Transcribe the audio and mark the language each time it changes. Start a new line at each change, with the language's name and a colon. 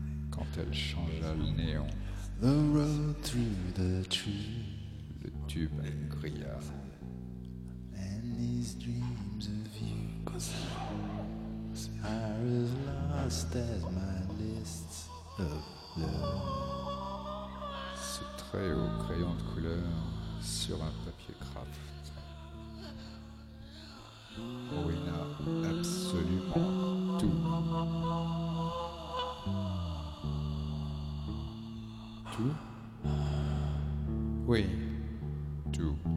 French: Quand elle changea le néon.
English: The road through the tree.
French: Le tube grilla.
English: And these dreams of you are as lost as my list of love.
French: Ce trait au crayon de couleur sur un papier craft. Ruina absolument tout. Tout? Oui, tout.